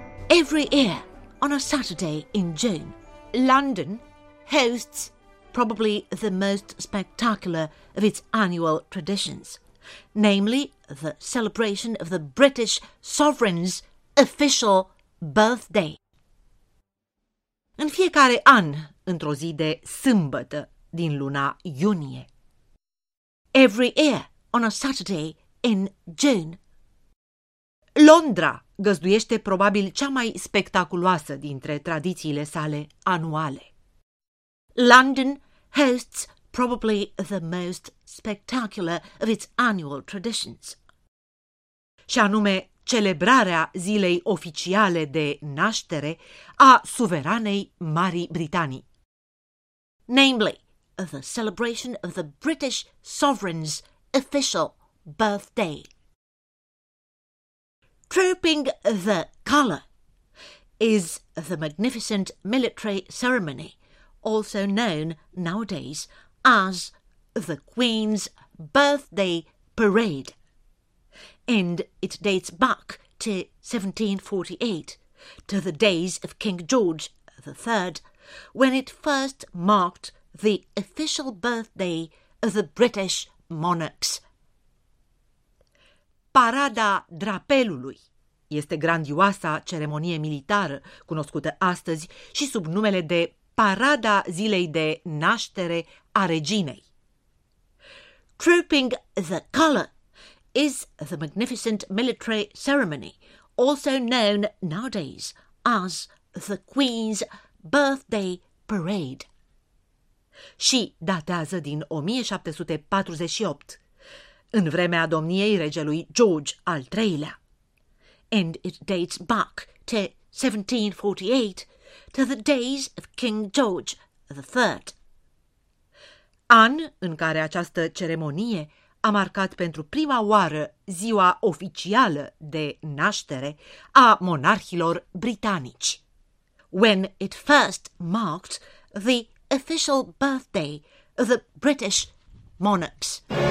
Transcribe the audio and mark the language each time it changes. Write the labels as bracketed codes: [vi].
[en] Every year, on a Saturday in June, London hosts probably the most spectacular of its annual traditions, namely the celebration of the British sovereign's official birthday. [ro] În fiecare an, într-o zi de sâmbătă din luna iunie. [en] Every year, on a Saturday in June. [ro] Londra găzduiește probabil cea mai spectaculoasă dintre tradițiile sale anuale. [en] London hosts probably the most spectacular of its annual traditions. [ro] Și anume celebrarea zilei oficiale de naștere a suveranei Marii Britanii. [en] Namely, the celebration of the British sovereign's official birthday. Trooping the Colour is the magnificent military ceremony, also known nowadays as the Queen's Birthday Parade, and it dates back to 1748, to the days of King George III, when it first marked the official birthday of the British monarchs. [ro] Parada drapelului este grandioasa ceremonie militară cunoscută astăzi și sub numele de Parada zilei de naștere a reginei. [en] Trooping the Colour is the magnificent military ceremony, also known nowadays as the Queen's Birthday Parade. [ro] Și datează din 1748, în vremea domniei regelui George al III-lea. [en] And it dates back to 1748, to the days of King George the III. [ro] An în care această ceremonie a marcat pentru prima oară ziua oficială de naștere a monarhilor britanici. [en] When it first marked the official birthday of the British monarchs.